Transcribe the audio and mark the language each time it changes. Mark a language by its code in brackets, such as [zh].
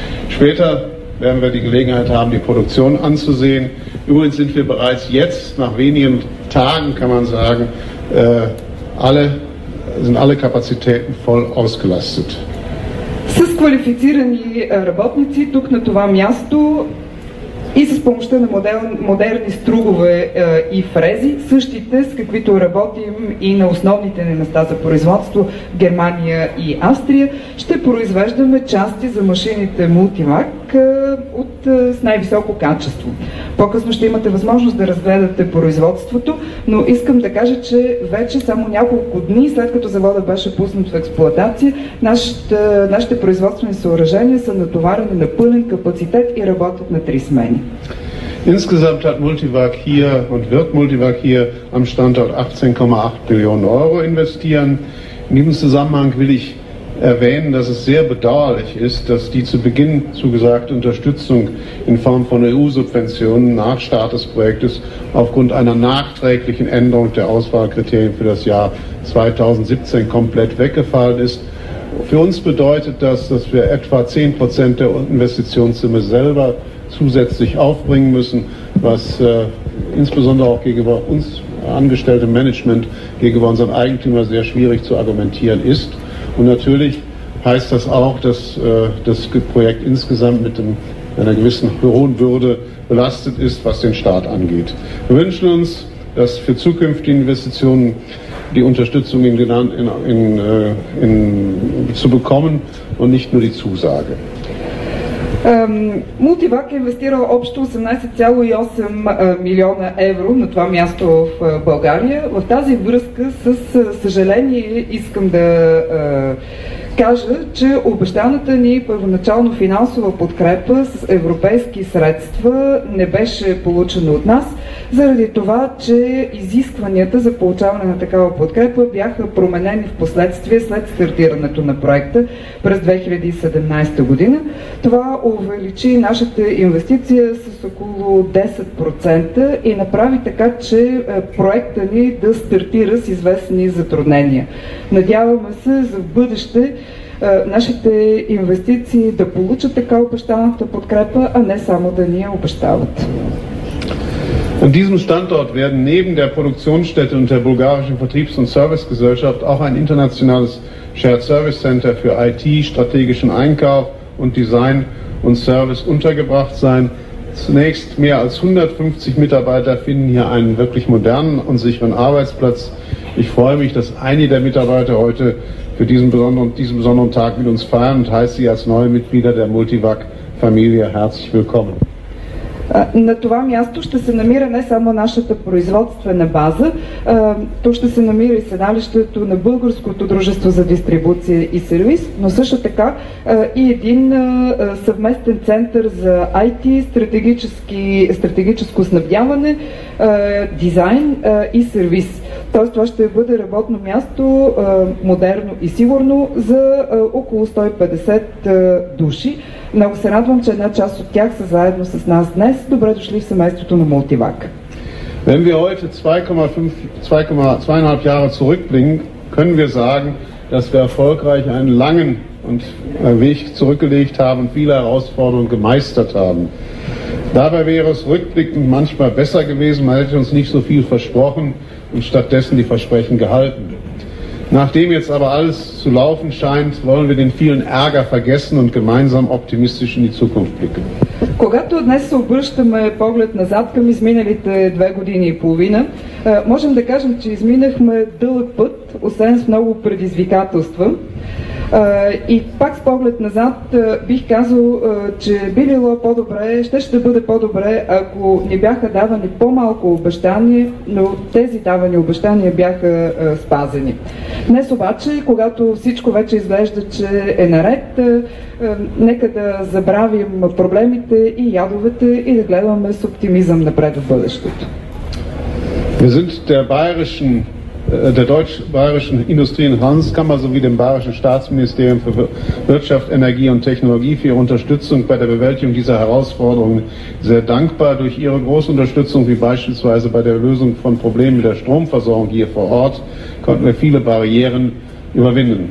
[de] Später werden wir die Gelegenheit haben, die Produktion anzusehen. Übrigens sind wir bereits jetzt, nach wenigen Tagen, kann man sagen, sind alle Kapazitäten voll ausgelastet. [bg] С квалифицирани работници тук на това място и с помощта на модерни стругове и фрези, същите с каквито работим и на основните ни места за производство в Германия и Австрия, ще произвеждаме части за машините Multivac с най-високо качество. По-късно ще имате възможност да разгледате производството, но искам да кажа, че вече само няколко дни след като заводът беше пуснат в експлоатация, нашите производствени съоръжения са натоварени на пълен капацитет и работят на 3 смени. [de] Insgesamt hat Multivac hier und wird Multivac hier am Standort 18,8 Millionen Euro investieren. In diesem Zusammenhang will ich erwähnen, dass es sehr bedauerlich ist, dass die zu Beginn zugesagte Unterstützung in Form von EU-Subventionen nach Start des Projektes aufgrund einer nachträglichen Änderung der Auswahlkriterien für das Jahr 2017 komplett weggefallen ist. Für uns bedeutet das, dass wir etwa 10% der Investitionssumme selber zusätzlich aufbringen müssen, was insbesondere auch gegenüber uns angestellten Management, gegenüber unserem Eigentümer sehr schwierig zu argumentieren ist. Und natürlich heißt das auch, dass das Projekt insgesamt mit einer gewissen hohen Würde belastet ist, was den Staat angeht. Wir wünschen uns, dass für zukünftige Investitionen die Unterstützung zu bekommen und nicht nur die Zusage. [bg] Multivac е инвестирал общо 18,8 милиона евро на това място в България. В тази връзка, с съжаление, искам да кажа, че обещаната ни първоначално финансова подкрепа с европейски средства не беше получена от нас, заради това, че изискванията за получаване на такава подкрепа бяха променени в последствие след стартирането на проекта през 2017 година. Това увеличи нашата инвестиция с около 10% и направи така, че проекта ни да стартира с известни затруднения. Надяваме се за бъдеще нашите инвестиции да получат така обещаната подкрепа, а не само да ни я обещават. [de] An diesem Standort werden neben der Produktionsstätte und der bulgarischen Vertriebs- und Servicegesellschaft auch ein internationales Shared Service Center für IT, strategischen Einkauf und Design und Service untergebracht sein. Zunächst mehr als 150 Mitarbeiter finden hier einen wirklich modernen und sicheren Arbeitsplatz. Ich freue mich, dass einige der Mitarbeiter heute für diesen besonderen Tag mit uns feiern und heiße sie als neue Mitglieder der Multivac-Familie herzlich willkommen. [bg] На това място ще се намира не само нашата производствена база, то ще се намира и седалището на Българското дружество за дистрибуция и сервис, но също така и един съвместен център за IT, стратегическо снабдяване, дизайн и сервис. Тоест това ще бъде работно място, модерно и сигурно, за около 150 души. Много се радвам, че една част от тях са заедно с нас днес. Добре дошли в семейството на Multivac. [de] Wenn wir heute 2,5 Jahre zurückblicken, können wir sagen, dass wir erfolgreich einen langen und Weg zurückgelegt haben und viele Herausforderungen gemeistert haben. Dabei wäre es rückblickend manchmal besser gewesen, man hätte uns nicht so viel versprochen, und stattdessen die Versprechen gehalten. Nachdem jetzt aber alles zu laufen scheint, wollen wir den vielen Ärger vergessen und gemeinsam optimistisch in die Zukunft blicken. [bg] Когато днес се обръщаме поглед назад към изминалите две години и половина, можем да кажем, че изминахме дълъг път, освен с много предизвикателства. И пак с поглед назад бих казал, че би било по-добре, ще да бъде по-добре, ако ни бяха давани по-малко обещания, но тези давани обещания бяха спазени. Днес обаче, когато всичко вече изглежда, че е наред, нека да забравим проблемите и ядовете и да гледаме с оптимизъм напред в бъдещето. [de] Wir sind der deutsch-bayerischen Industrie- und Handelskammer sowie dem bayerischen Staatsministerium für Wirtschaft, Energie und Technologie für ihre Unterstützung bei der Bewältigung dieser Herausforderungen sehr dankbar. Durch ihre große Unterstützung, wie beispielsweise bei der Lösung von Problemen mit der Stromversorgung hier vor Ort, konnten wir viele Barrieren überwinden.